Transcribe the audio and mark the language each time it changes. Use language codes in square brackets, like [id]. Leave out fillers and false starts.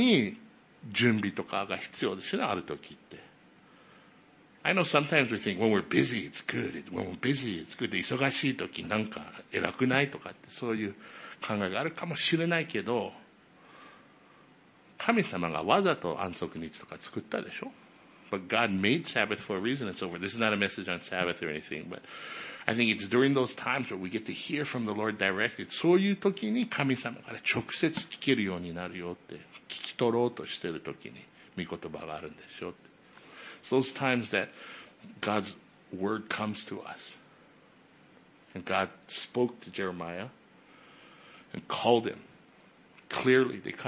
[ja] だから聞くには大事だから、聞こえるように準備とかが必要ですよね、ある時って。 [en] I know sometimes we think, when we're busy, it's good. When we're busy, it's good. [ja] 忙しい時なんか偉くないとかって、そういう考えがあるかもしれないけど、 神様がわざと安息日とか作ったでしょ? [en] But God made Sabbath for a reason. It's over. This is not a message on Sabbath or anything, but I think it's during those times where we get to hear from the Lord directly. [ja] そういう時に神様から直接聞けるようになるよって、聞き取ろうとしてる時に御言葉があるんですよって。 [en] It's those times that God's word comes to us. And God spoke to Jeremiah and called him clearly.